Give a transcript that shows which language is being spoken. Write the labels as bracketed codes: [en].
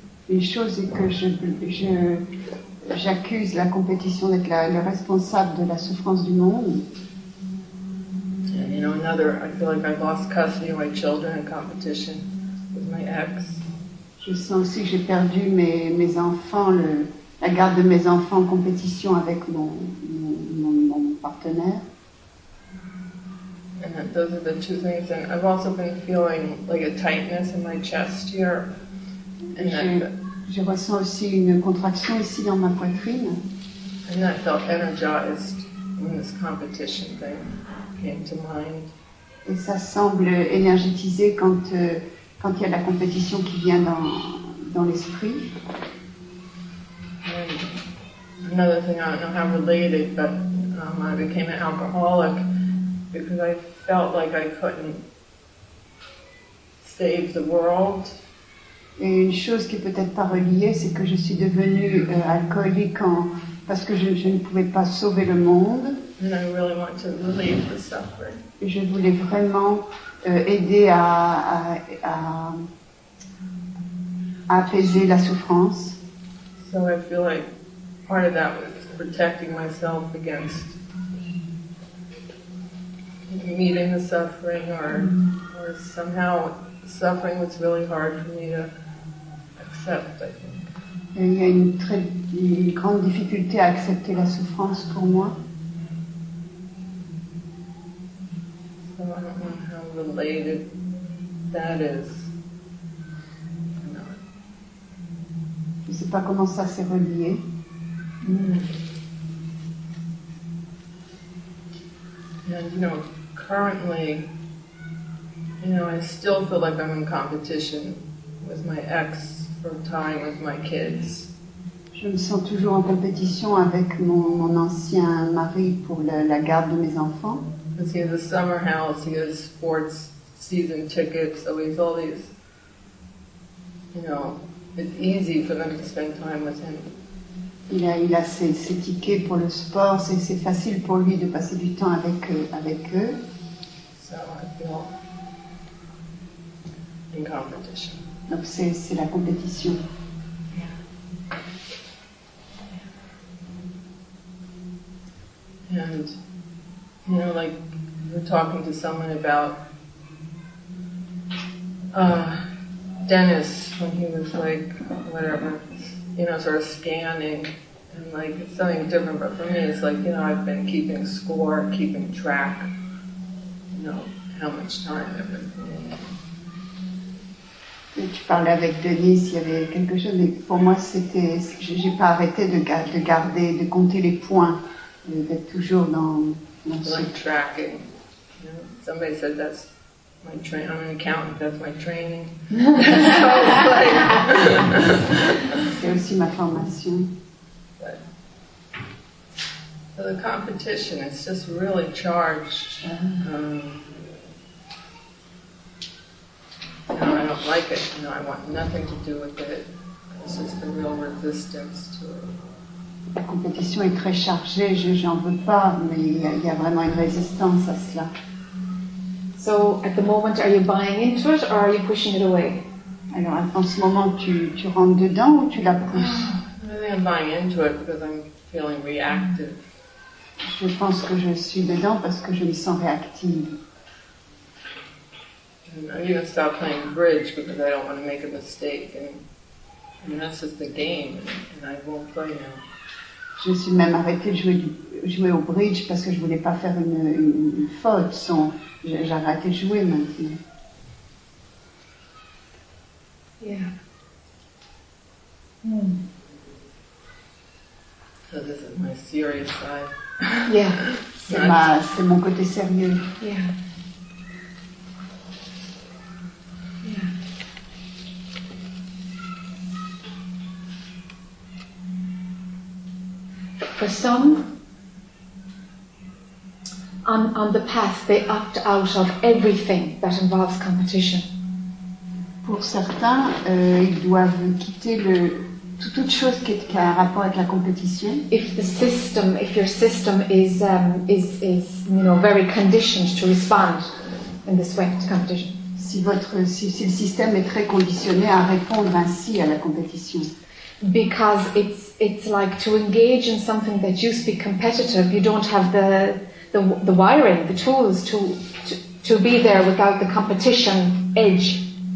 [fr] Une chose est que j'accuse la compétition d'être la responsable de la souffrance du monde. [en] You know, another, I feel like I lost custody of my children in competition with my ex. [fr] Je sens aussi que j'ai perdu mes enfants, la garde de mes enfants en compétition avec mon partenaire. [en] And those are the two things. And I've also been feeling like a tightness in my chest here. [fr] And je ressens aussi une contraction ici dans ma poitrine. [en] And that felt energized in this competition thing. Came to mind. [fr] Et ça semble énergétisé quand il y a la compétition qui vient dans l'esprit. [en] And another thing, I don't know how related, but I became an alcoholic because I felt like I couldn't save the world. [fr] Et une chose qui peut-être pas reliée, c'est que je suis devenue alcoolique parce que je ne pouvais pas sauver le monde. [en] And I really want to relieve the suffering. [fr] Je voulais vraiment aider à apaiser la souffrance. [en] So I feel like part of that was protecting myself against meeting the suffering or somehow suffering was really hard for me to accept, I think. [fr] Il y a une grande difficulté à accepter la souffrance pour moi. [en] So I don't know how related that is. [fr] Je ne sais pas comment ça s'est relié. [en] And you know, currently, you know, I still feel like I'm in competition with my ex for time with my kids. [fr] Je me sens toujours en compétition avec mon ancien mari pour la garde de mes enfants. [en] Because he has a summer house, he has sports season tickets, so he's all these, you know, it's easy for them to spend time with him. [fr] Il a ses tickets pour le sport, c'est facile pour lui de passer du temps avec eux. [en] So I feel in competition. [fr] Donc c'est la compétition. [en] And, you know, like, we're talking to someone about Dennis when he was, like, whatever, you know, sort of scanning, and, like, it's something different, but for me, it's like, you know, I've been keeping score, keeping track, you know, how much time I've been playing. [fr] Tu parlais avec Denis, il y avait quelque chose, mais pour moi, c'était, j'ai pas arrêté de garder, de compter les points. D'être toujours dans [en] like [fr] ce... [en] tracking. You know, somebody said that's my training. I'm an accountant, that's my training. [fr] C'est aussi ma formation. [en] But, so the competition is just really charged. You know, I don't like it. You know, I want nothing to do with it. It's just a real resistance to it. [fr] La compétition est très chargée, j'en veux pas, mais il y a vraiment une résistance à cela. [en] So, at the moment, are you buying into it or are you pushing it away? [fr] Alors, en ce moment, tu rentres dedans ou tu la pousses? [en] I think I'm buying into it because I'm feeling reactive. [fr] Je pense que je suis dedans parce que je me sens réactive. [en] And I'm going to stop playing bridge because I don't want to make a mistake. And that's just the game, and I won't play now. [fr] Je suis même arrêtée de jouer au bridge parce que je ne voulais pas faire une faute. J'ai arrêté de jouer maintenant. [en] So this is my serious side. Yeah. [fr] C'est mon côté sérieux. [en] Yeah. For some, on the path, they opt out of everything that involves competition. [fr] Pour certains, ils doivent quitter toute chose qui a un rapport avec la compétition. [en] If the system, if your system is you know very conditioned to respond in this way to competition. [fr] Si le système est très conditionné à répondre ainsi à la compétition. [en] Because it's like to engage in something that used to be competitive, you don't have the wiring, the tools to be there without the competition edge.